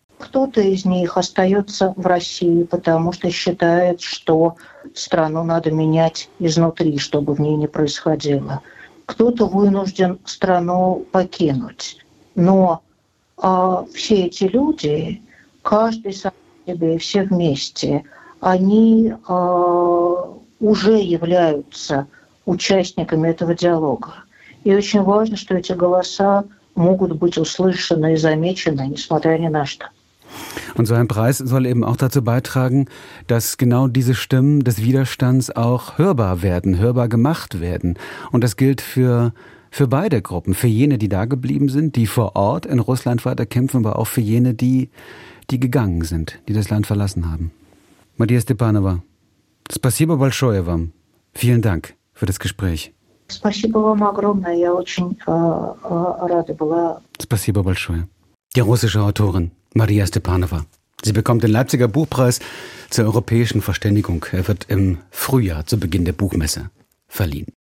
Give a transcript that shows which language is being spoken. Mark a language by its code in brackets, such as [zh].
[ru] Кто-то из них остается в России, потому что считает, что страну надо менять изнутри, чтобы в ней не происходило. Кто-то вынужден страну покинуть. Но все эти люди, каждый сам себе, все вместе, они уже являются участниками этого диалога. И очень важно, что эти голоса могут быть услышаны и замечены, несмотря ни на что. [de] Und so ein Preis soll eben auch dazu beitragen, dass genau diese Stimmen des Widerstands auch hörbar werden, hörbar gemacht werden. Und das gilt für beide Gruppen, für jene, die da geblieben sind, die vor Ort in Russland weiter kämpfen, aber auch für jene, die gegangen sind, die das Land verlassen haben. [ru] Maria Stepanova, Спасибо большое вам. [de] Vielen Dank für das Gespräch. [ru] Спасибо вам огромное. Я очень рада была. Спасибо большое. [de] Die russische Autorin. Maria Stepanova. Sie bekommt den Leipziger Buchpreis zur europäischen Verständigung. Er wird im Frühjahr, zu Beginn der Buchmesse, verliehen.